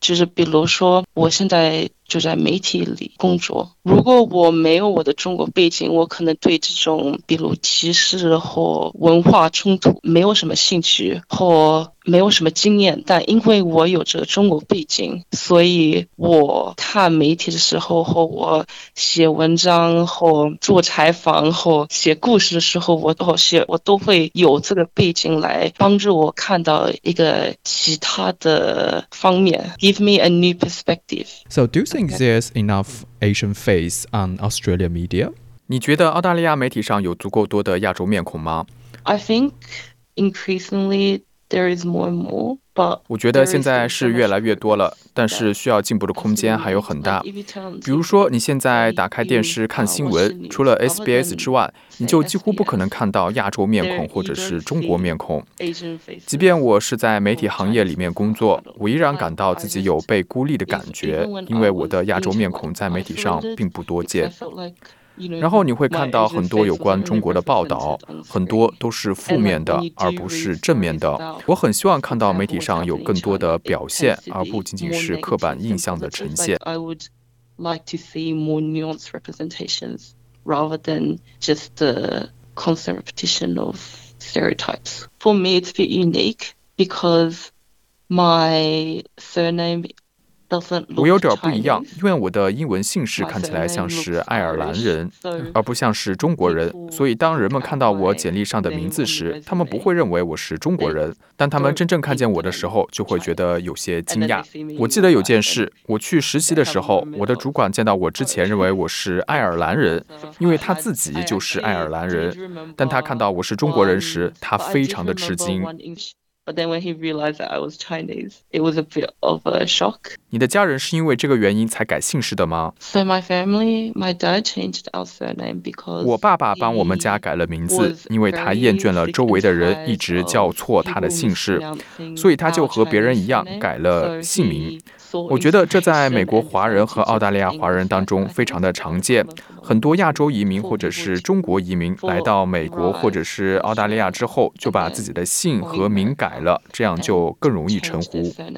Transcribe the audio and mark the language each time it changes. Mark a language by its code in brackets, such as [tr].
[zh] 就是比如说我现在就在媒体里工作，如果我没有我的中国背景，我可能对这种比如歧视或文化冲突没有什么兴趣或没有什么经验，但因为我有这个中国背景，所以我看媒体的时候或我写文章或做采访或写故事的时候，我都会有这个背景来帮助我看到一个其他的方面， [en] give me a new perspective。 So do you think there's enough Asian face on Australian media? [zh] 你觉得澳大利亚媒体上有足够多的亚洲面孔吗？ [en] I think increasingly there is more and more. [zh] 我觉得现在是越来越多了，但是需要进步的空间还有很大。比如说你现在打开电视看新闻，除了 SBS 之外，你就几乎不可能看到亚洲面孔或者是中国面孔。即便我是在媒体行业里面工作，我依然感到自己有被孤立的感觉，因为我的亚洲面孔在媒体上并不多见。然后你会看到很多有关中国的报道，很多都是负面的而不是正面的。我很希望看到媒体上有更多的表现，而不仅仅是刻板印象的呈现。 [en] I would like to see more nuanced representations rather than just the constant repetition of stereotypes. For me, it's a bit unique because my surname [zh] 我有点不一样，因为我的英文姓氏看起来像是爱尔兰人而不像是中国人，所以当人们看到我简历上的名字时，他们不会认为我是中国人，但他们真正看见我的时候就会觉得有些惊讶。我记得有件事，我去实习的时候，我的主管见到我之前认为我是爱尔兰人，因为他自己就是爱尔兰人，但他看到我是中国人时，他非常的吃惊。 [en] But then when he realized that I was Chinese, it was a bit of a shock. [zh] 你的家人是因为这个原因才改姓氏的吗？ [en] So my family, my dad changed our surname because [zh] 我爸爸帮我们家改了名字，因为他厌倦了周围的人一直叫错他的姓氏，所以他就和别人一样改了姓名。我觉得这在美国华人和澳大利亚华人当中非常的常见，很多亚洲移民或者是中国移民来到美国或者是澳大利亚之后就把自己的姓和名改了，这样就更容易称呼。